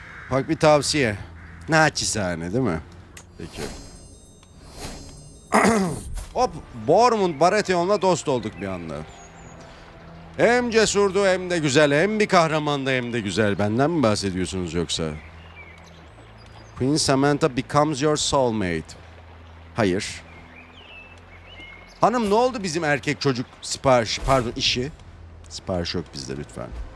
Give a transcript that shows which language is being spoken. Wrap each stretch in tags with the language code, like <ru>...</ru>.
<tr>Bak bir tavsiye. Naçizane değil mi? Peki. Hop, Bormund Baratheon'la dost olduk bir anda. Hem cesurdu hem de güzel, hem bir kahramandı hem de güzel. Benden mi bahsediyorsunuz yoksa?</tr> <en>Queen Samantha becomes your soulmate.</en> <tr>Hayır. Hanım ne oldu bizim erkek çocuk sipariş, pardon işi? Sipariş yok bizde lütfen.</tr>